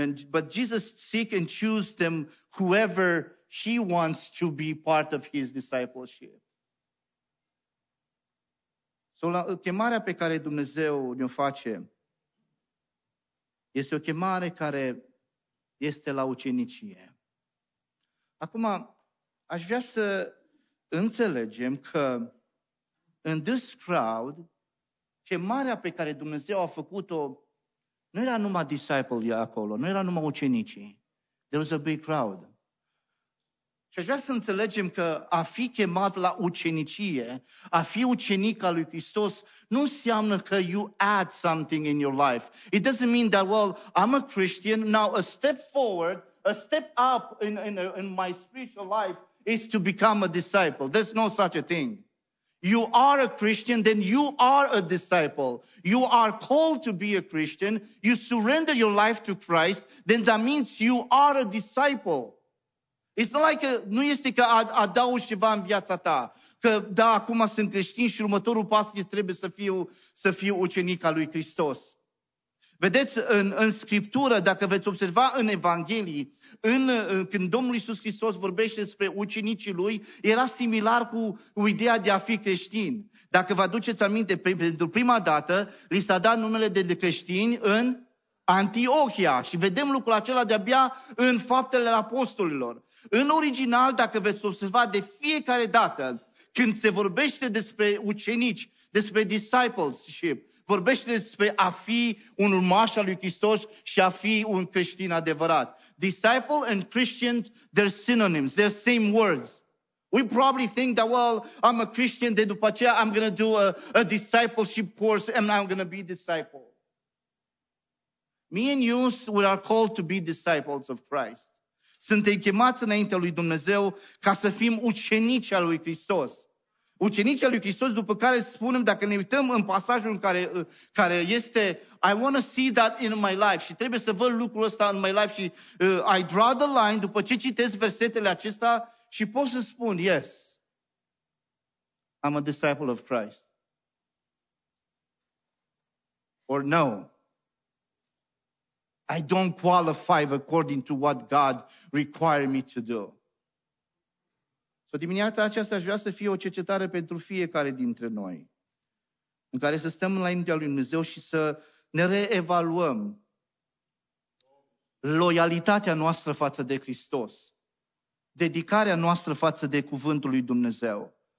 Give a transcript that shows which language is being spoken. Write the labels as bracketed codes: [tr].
[en] But Jesus seek and choose them whoever He wants to be part of His discipleship. [ro] So, chemarea pe care Dumnezeu ne-o face este o chemare care este la ucenicie. Acum, aș vrea să înțelegem că [en] in this crowd, [ro] chemarea pe care Dumnezeu a făcut-o nu era numai disciple acolo, nu era numai ucenicii. [en] There was a big crowd. [ro] Și aș vrea să înțelegem că a fi chemat la ucenicie, a fi ucenic al lui Hristos, nu înseamnă că [en] you add something in your life. It doesn't mean that, well, I'm a Christian, now a step forward, a step up in my spiritual life is to become a disciple. There's no such a thing. You are a Christian, then you are a disciple. You are called to be a Christian. You surrender your life to Christ, then that means you are a disciple. It's not like [ro] nu este că adaugi ceva în viața ta, că da, acum sunt creștin și următorul pas trebuie să fiu ucenic al lui Hristos. Vedeți, în Scriptură, dacă veți observa în Evanghelii, când Domnul Iisus Hristos vorbește despre ucenicii lui, era similar cu ideea de a fi creștin. Dacă vă aduceți aminte, pentru prima dată, li s-a dat numele de creștini în Antiohia. Și vedem lucrul acela de-abia în Faptele Apostolilor. În original, dacă veți observa, de fiecare dată, când se vorbește despre ucenici, despre discipleship, vorbește despre a fi un urmaș al lui Hristos și a fi un creștin adevărat. [en] Disciple and Christian, they're synonyms, they're same words. We probably think that, well, I'm a Christian, [ro] de după aceea [en] I'm going to do a discipleship course and I'm going to be a disciple. Me and you, we are called to be disciples of Christ. [ro] Suntem chemați înaintea lui Dumnezeu ca să fim ucenici al lui Hristos. Ucenicii al lui Hristos, după care spunem, dacă ne uităm în pasajul în care este [en] I want to see that in my life, [ro] și trebuie să văd lucrul ăsta [en] in my life, [ro] și [en] I draw the line [ro] după ce citesc versetele acestea și pot să spun, [en] yes, I'm a disciple of Christ. Or no, I don't qualify according to what God required me to do. [ro] Dimineața aceasta aș vrea să fie o cercetare pentru fiecare dintre noi, în care să stăm înaintea lui Dumnezeu și să ne reevaluăm loialitatea noastră față de Hristos, dedicarea noastră față de cuvântul lui Dumnezeu.